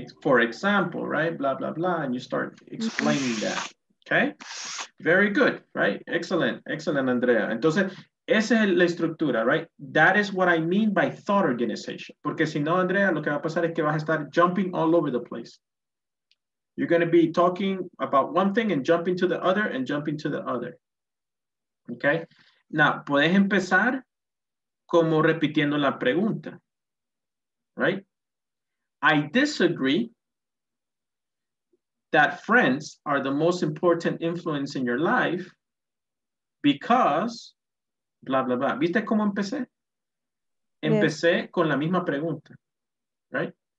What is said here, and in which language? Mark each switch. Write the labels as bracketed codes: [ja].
[en] For example, right? Blah, blah, blah. And you start explaining that. Okay. Very good. Right. Excellent. Excellent, Andrea. [es] Entonces, esa es la estructura, right? [en] That is what I mean by thought organization. [es] Porque si no, Andrea, lo que va a pasar es que vas a estar [en] jumping all over the place. You're going to be talking about one thing and jumping to the other and jumping to the other. Okay. [es] Now, puedes empezar como repitiendo la pregunta, right? [en] I disagree that friends are the most important influence in your life because blah, blah, blah. [es] ¿Viste cómo empecé? Empecé con la misma pregunta, right?